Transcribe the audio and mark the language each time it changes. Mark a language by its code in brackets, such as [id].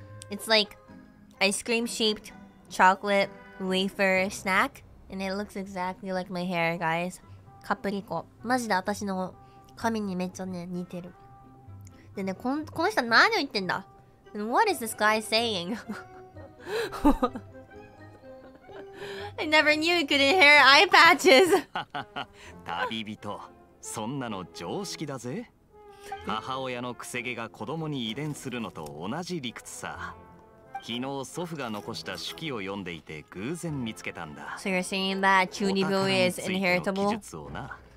[en] It's like ice cream shaped chocolate wafer snack. And it looks exactly like my hair, guys. Caprico. [ja] マジで私の髪にめっちゃね、似てる。でね、この人何を言ってんだ？ [en] And what is this guy saying? I never knew he could inherit eye patches. [ja] 旅人、そんなの常識だぜ。母親のくせ毛が子供に遺伝するのと同じ理屈さ。昨日祖父が残した手記を読んでいて偶然見つけたんだ。 [en] So you're saying that 中二病 is inheritable? [ja] お宝についての記述をな。